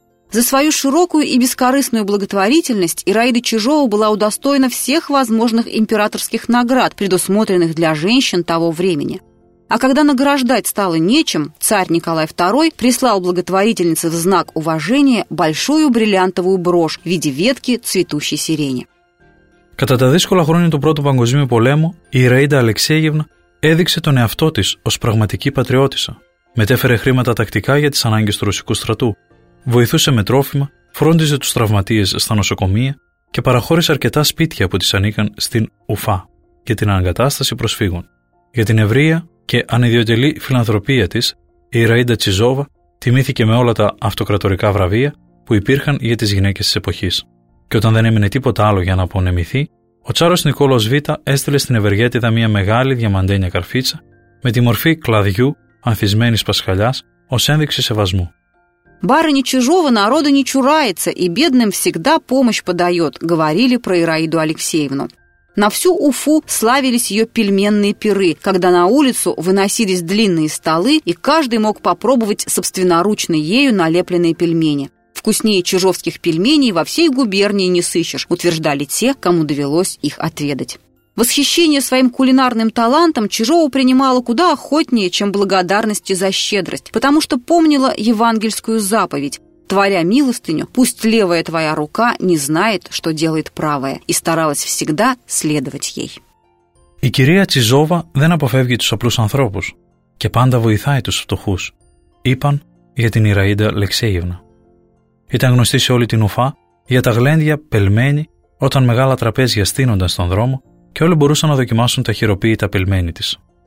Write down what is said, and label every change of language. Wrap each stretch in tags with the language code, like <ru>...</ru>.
<ru>За свою широкую и бескорыстную благотворительность Ираида Чижова была удостоена всех возможных императорских наград, предусмотренных для женщин того времени. А когда награждать стало нечем, царь Николай II прислал благотворительнице в знак уважения большую бриллиантовую брошь в виде ветки цветущей сирени.</ru> <el>Κατά τα δύσκολα χρόνια του Πρώτου Παγκοσμίου Πολέμου, η Ιραίδα Αλεξέγευνα έδειξε τον εαυτό της ως πραγματική πατριώτισσα. Μετέφερε χρήματα τακτικά για τις ανάγκες του ρωσικού στρατού, βοηθούσε με τρόφιμα, φρόντιζε τους τραυματίες στα νοσοκομεία και παραχώρησε αρκετά σπίτια που της ανήκαν στην Ουφά για την αγκατάσταση προσφύγων. Για την ευρεία και ανιδιοτελή φιλανθρωπία της, η Ιραίντα Τσιζόβα τιμήθηκε με όλα τα αυτοκρατορικά βραβεία που υπήρχαν για τις γυναίκες της εποχής. Και όταν δεν έμεινε τίποτα άλλο για να απονεμηθεί, ο Τσάρος Νικόλος Β' έστειλε στην ευεργέτιδα μια μεγάλη διαμαντένια καρφίτσα με τη μορφή κλαδιού ανθισμένης πασχαλιάς ως ένδειξη σεβασμού.</el> <ru>«Барыня Чижова народа не чурается и бедным всегда помощь подает», — говорили про Ираиду Алексеевну. На всю Уфу славились ее пельменные пиры, когда на улицу выносились длинные столы, и каждый мог попробовать собственноручно ею налепленные пельмени. «Вкуснее чижовских пельменей во всей губернии не сыщешь», утверждали те, кому довелось их отведать. Восхищение своим кулинарным талантом Чижова принимала куда охотнее, чем благодарность за щедрость, потому что помнила евангельскую заповедь творя милостыню, пусть левая твоя рука не знает, что делает правая, и старалась всегда следовать ей.</ru> <el>Η κυρία Τσιζόβα δεν αποφεύγει τους απλούς ανθρώπους και πάντα βοηθάει τους φτωχούς, είπαν για την Ιραίδα Λεξέιευνα. Ήταν γνωστή σε όλη την Ουφά για τα γλέντια πελμένη όταν μεγάλα τραπέζια στείνονταν στον δρόμο και όλοι μπορούσαν να δοκιμάσουν τα χειροποίητα πελμένη της.</el>